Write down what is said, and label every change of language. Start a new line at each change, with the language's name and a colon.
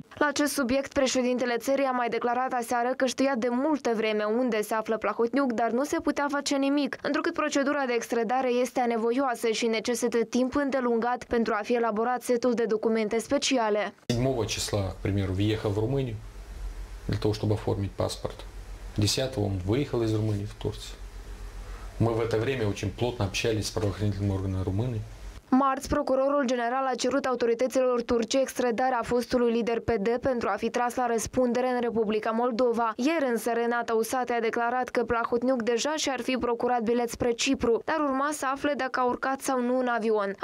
Romanian: La acest subiect, președintele țării a mai declarat aseară că știa de multă vreme unde se află Plahotniuc, dar nu se putea face nimic, întrucât procedura de extradare este anevoioasă și necesită timp îndelungat pentru a fi elaborat setul de documente speciale.
Russian: 7-го числа, например, въехал в Румынию для того, чтобы оформить паспорт. 10-го он выехал из Румынии в Турцию. Мы в это время очень плотно общались с правоохранительными органами Румынии.
Romanian: Marți, procurorul general a cerut autorităților turce extradarea fostului lider PD pentru a fi tras la răspundere în Republica Moldova. Ieri însă Renata Usate a declarat că Plahotniuc deja și-ar fi procurat bilet spre Cipru, dar urma să afle dacă a urcat sau nu în avion.